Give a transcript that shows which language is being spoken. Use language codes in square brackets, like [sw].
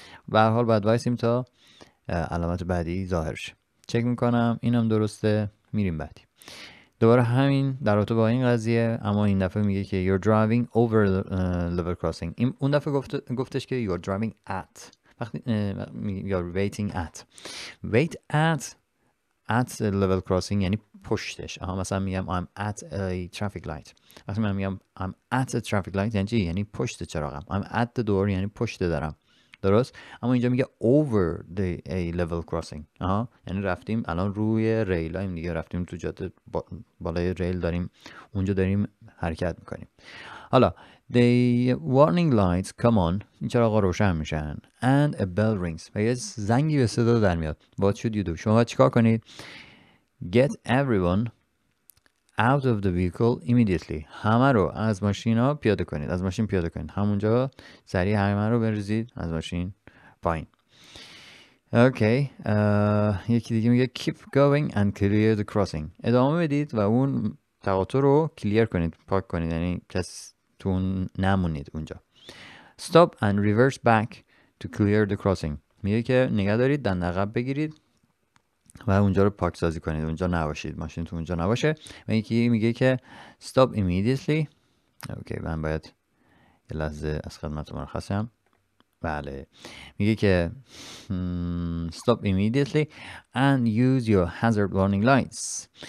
[fa] به هر حال باید وایسیم تا علامت بعدی ظاهر شه. چک میکنم اینم درسته. میریم بعدی. دوباره همین در رابطه با این قضیه، اما این دفعه میگه که [en] you're driving over level crossing. [fa] اون دفعه گفتش که [en] you're driving at، [fa] وقتی [en] you're waiting at. Wait at level crossing [fa] یعنی پشتش. آها، مثلا میگم [en] I'm at a traffic light. [fa] وقتی من میگم [en] I'm at a traffic light [fa] یعنی چی؟ یعنی پشت چراغم. [en] I'm at the door [fa] یعنی پشت دارم، درست؟ اما اینجا میگه [en] over the a level crossing. [fa] آها، یعنی رفتیم الان روی ریل هایم دیگه، رفتیم تو جاده بالای ریل، داریم اونجا داریم حرکت میکنیم. حالا [en] the warning lights come on، [fa] این چراغ ها روشن میشن. [en] And a bell rings، [fa] و یه زنگی به صدا در میاد. [en] What should you do؟ [fa] شما باید چیکار کنید؟ [en] Get everyone out of the vehicle immediately. [fa] همه رو از ماشین ها پیاده کنید، از ماشین پیاده کنید. همونجا سریع همه رو بریزید از ماشین پایین. اوکی، یکی دیگه میگه [en] keep going and clear the crossing. [fa] ادامه بدید و اون تقاطع رو کلیر کنید، پاک کنید، یعنی کس تو نمونید اونجا. [en] Stop and reverse back to clear the crossing. [fa] میگه که نگه دارید، دند عقب بگیرید و اونجا رو پاک سازی کنید، اونجا نباشید، ماشین تو اونجا نباشه. و یکی میگه که [en] stop immediately. [fa] اوکی، من باید یه لحظه از خدمت مرخصم. بله، میگه که [en] stop immediately and use your hazard warning lights.